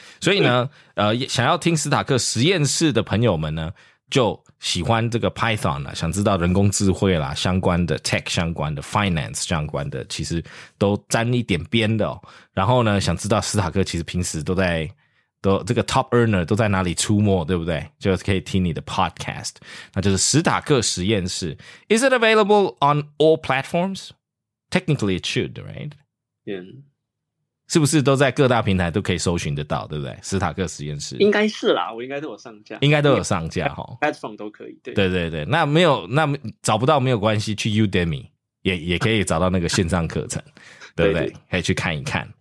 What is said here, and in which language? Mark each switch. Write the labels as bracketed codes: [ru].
[zh] 所以呢，想要听史塔克实验室的朋友们呢，就喜欢这个 Python 啦，想知道人工智慧啦，相关的 tech 相关的 finance 相关的其实都沾一点边的、哦、然后呢，想知道史塔克其实平时都在都这个 top earner 都在哪里出没，对不对？就可以听你的 podcast， 那就是史塔克实验室。 [en] Is it available on all platforms? Technically, it should, right? Yeah. [zh] 是不是都在各大平台都可以搜寻得到，对不对？史塔克实验室应该是啦，我应该都有上架，应该都有上架哈。 Platform 都可以，对对对对。那没有，那找不到没有关系，去 Udemy 也可以找到那个线上课程，对不对, 对, 对？可以去看一看。